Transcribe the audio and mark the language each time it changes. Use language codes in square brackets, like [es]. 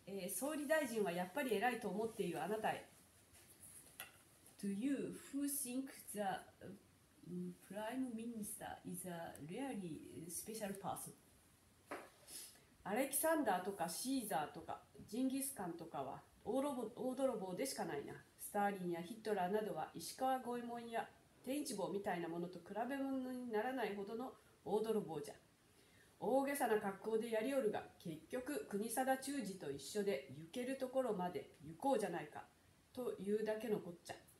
[ja] 総理大臣はやっぱり偉いと思っているあなたへ。 [en] To you who think the prime minister is a really special person. [ja] アレキサンダーとかシーザーとかジンギスカンとかは大泥棒でしかないな。スターリンやヒットラーなどは石川五右衛門や天一坊みたいなものと比べ物にならないほどの大泥棒じゃ。大げさな格好でやりおるが、結局国定忠治と一緒で行けるところまで行こうじゃないかというだけのこっちゃ。